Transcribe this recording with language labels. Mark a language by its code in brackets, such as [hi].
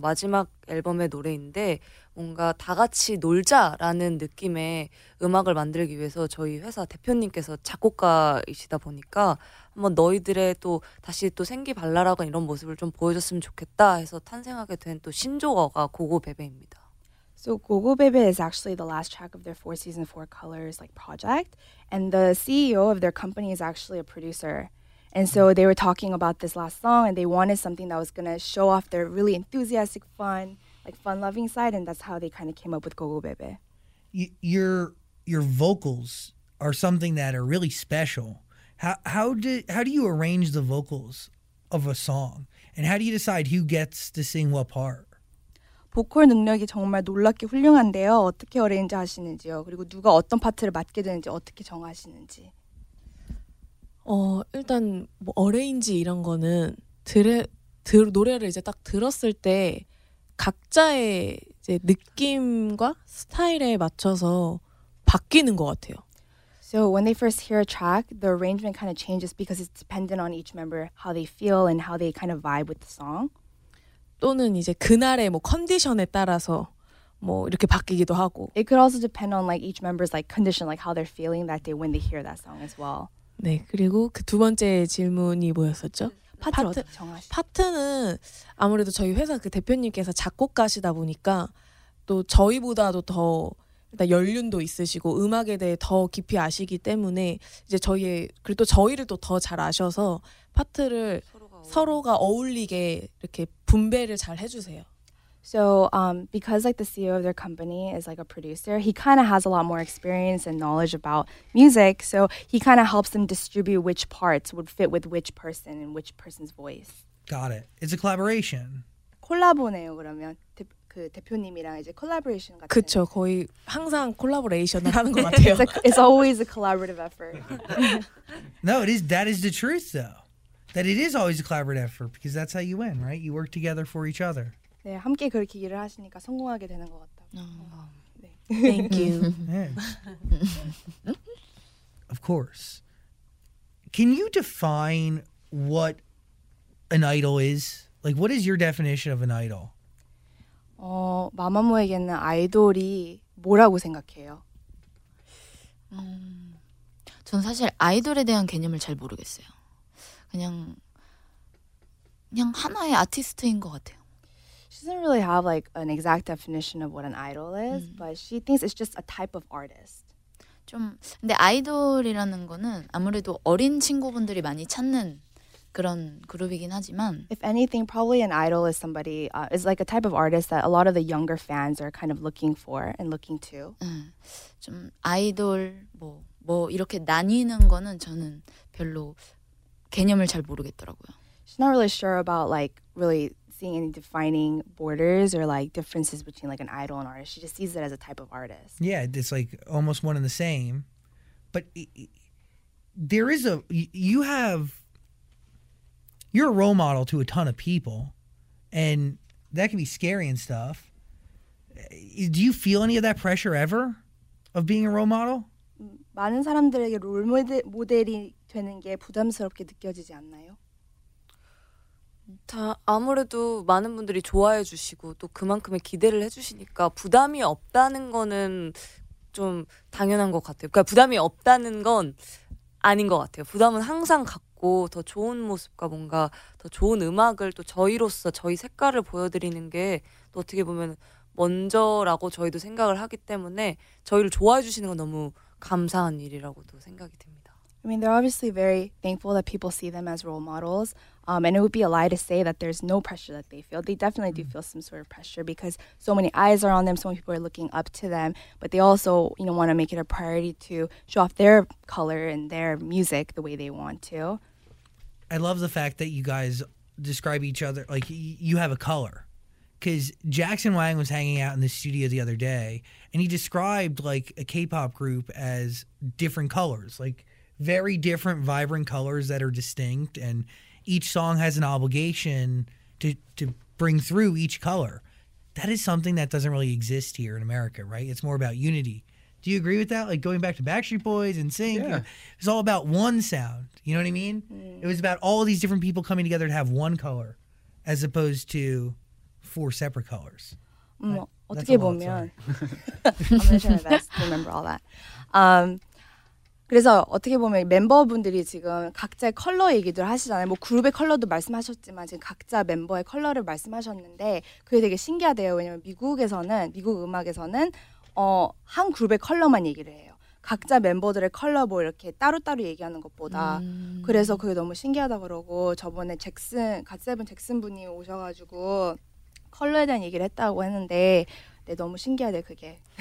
[ko] 마지막 앨범의 노래인데 뭔가 다 같이 놀자라는 느낌의 음악을 만들기 위해서 저희 회사 대표님께서 작곡가이시다 보니까 한번 너희들의 또 다시 또 생기 발랄하고 이런 모습을 좀 보여줬으면 좋겠다 해서 탄생하게 된 또 신조어가 고고베베입니다. [en] So Gogobebe is actually the last track of their 4 Seasons 4 Colors like project, and the CEO of their company is actually a producer. And so they were talking about this last song, and they wanted something that was going to show off their really enthusiastic, fun, like fun-loving side, and that's how they kind of came up with Gogobebe. Your vocals are something that are really special. How do you arrange the vocals of a song, and how do you decide who gets to sing what part? [ko] 보컬 능력이 정말 놀랍게 훌륭한데요. 어떻게 어레인지 하시는지요? 그리고 누가 어떤 파트를 맡게 되는지 어떻게 정하시는지? 일단 뭐 어레인지 이런 거는 노래를 이제 딱 들었을 때 각자의 이제 느낌과 스타일에 맞춰서 바뀌는 것 같아요. [en] So when they first hear a track, the arrangement kind of changes because it's dependent on each member how they feel and how they kind of vibe with the song. [ko] 또는 이제 그날의 뭐 컨디션에 따라서 뭐 이렇게 바뀌기도 하고. [en] It could also depend on like each member's like condition, like how they're feeling that day when they hear that song as well. [ko] 네, 그리고 그 두 번째 질문이 뭐였었죠? 파트는 아무래도 저희 회사 그 대표님께서 작곡가시다 보니까 또 저희보다도 더 일단 연륜도 있으시고 음악에 대해 더 깊이 아시기 때문에 이제 저희의 그리고 또 저희를 또 더 잘 아셔서 파트를 서로가 어울리게 이렇게 분배를 잘 해주세요. [en] So because like the CEO of their company is like a producer, he kind of has a lot more experience and knowledge about music. So he kind of helps them distribute which parts would fit with which person and which person's voice. Got it. It's a collaboration. [ko] 콜라보네요, 그러면. 그 대표님이랑 이제 콜라보레이션 같은. 그렇죠. 거의 항상 콜라보레이션을 하는 것 같아요. [en] It's always a collaborative effort. No, it is. That is the truth, though. That it is always a collaborative effort because that's how you win, right? You work together for each other. [ko] 네, 함께 그렇게 일을 하시니까 성공하게 되는 것 같다고. [en] Thank you. Of course. Can you define what an idol is? Like, what is your definition of an idol? [ko] 어, 마마무에게는 아이돌이 뭐라고 생각해요? 전 사실 아이돌에 대한 개념을 잘 모르겠어요. 그냥 하나의 아티스트인 것 같아요. [en] She doesn't really have like an exact definition of what an idol is, but she thinks it's just a type of artist. [ko] 좀 근데 아이돌이라는 거는 아무래도 어린 친구분들이 많이 찾는 그런 그룹이긴 하지만. [en] If anything, probably an idol is somebody is like a type of artist that a lot of the younger fans are kind of looking for and looking to. [ko] 좀 아이돌 뭐 이렇게 나뉘는 거는 저는 별로 개념을 잘 모르겠더라고요. [en] She's not really sure about like really seeing any defining borders or like differences between like an idol and artist. She just sees it as a type of artist. Yeah, it's like almost one and the same. But there is you're a role model to a ton of people, and that can be scary and stuff. Do you feel any of that pressure ever of being a role model? [ko] 많은 사람들에게 롤모델이 되는 게 부담스럽게 느껴지지 않나요? 다 아무래도 많은 분들이 좋아해 주시고 또 그만큼의 기대를 해주시니까 부담이 없다는 거는 좀 당연한 것 같아요. 그러니까 부담이 없다는 건 아닌 것 같아요. 부담은 항상 갖고 더 좋은 모습과 뭔가 더 좋은 음악을 또 저희로서 저희 색깔을 보여드리는 게 또 어떻게 보면 먼저라고 저희도 생각을 하기 때문에 저희를 좋아해 주시는 건 너무 감사한 일이라고도 생각이 됩니다. [en] I mean, they're obviously very thankful that people see them as role models. And it would be a lie to say that there's no pressure that they feel. They definitely do feel some sort of pressure because so many eyes are on them, so many people are looking up to them. But they also, you know, want to make it a priority to show off their color and their music the way they want to. I love the fact that you guys describe each other like you have a color. Because Jackson Wang was hanging out in the studio the other day, and he described like a K-pop group as different colors, like very different, vibrant colors that are distinct, and each song has an obligation to bring through each color. That is something that doesn't really exist here in America, right? It's more about unity. Do you agree with that? Like going back to Backstreet Boys and Sync, yeah. It's all about one sound. You know what I mean? Mm. It was about all of these different people coming together to have one color, as opposed to four separate colors. I'm trying my best to remember all that. [ko] 그래서 어떻게 보면 멤버분들이 지금 각자의 컬러 얘기들 하시잖아요. 뭐 그룹의 컬러도 말씀하셨지만 지금 각자 멤버의 컬러를 말씀하셨는데 그게 되게 신기하대요. 왜냐면 미국에서는 미국 음악에서는 한 그룹의 컬러만 얘기를 해요. 각자 멤버들의 컬러 뭐 이렇게 따로따로 얘기하는 것보다 그래서 그게 너무 신기하다 그러고 저번에 잭슨 갓세븐 잭슨 분이 오셔가지고 컬러에 대한 얘기를 했다고 했는데 네, 너무 신기하대 그게.